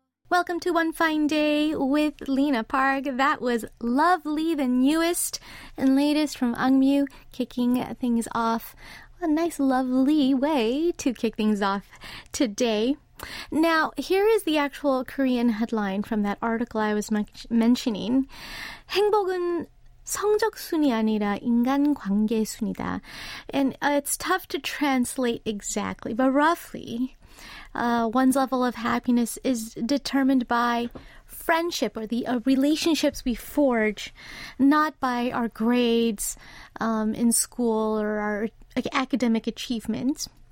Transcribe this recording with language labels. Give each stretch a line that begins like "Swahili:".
English: Welcome to One Fine Day with Lena Park. That was lovely, the newest and latest from Ungmu, kicking things off. A nice, lovely way to kick things off today. Now, here is the actual Korean headline from that article I was mentioning.
Korean: 행복은 성적 순이 아니라 인간 관계 순이다.
English: And it's tough to translate exactly, but roughly, one's level of happiness is determined by friendship or the relationships we forge, not by our grades in school or our academic achievements.